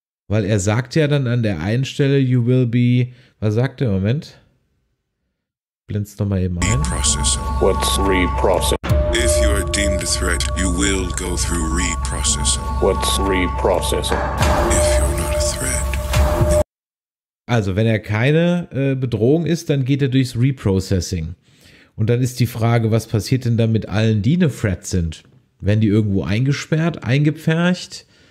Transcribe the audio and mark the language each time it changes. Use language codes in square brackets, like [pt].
[de] Weil er sagt ja dann an der einen Stelle, [en] you will be, [de] was sagt er, Moment? Blend's noch mal eben ein. [en] What's reprocessing? If you are deemed a threat, you will go through reprocessing. What's reprocessing? If you're not a threat. [de] Also, wenn er keine Bedrohung ist, dann geht er durchs Reprocessing. Und dann ist die Frage, was passiert denn dann mit allen, die eine Threat sind? Werden die irgendwo eingesperrt, eingepfercht?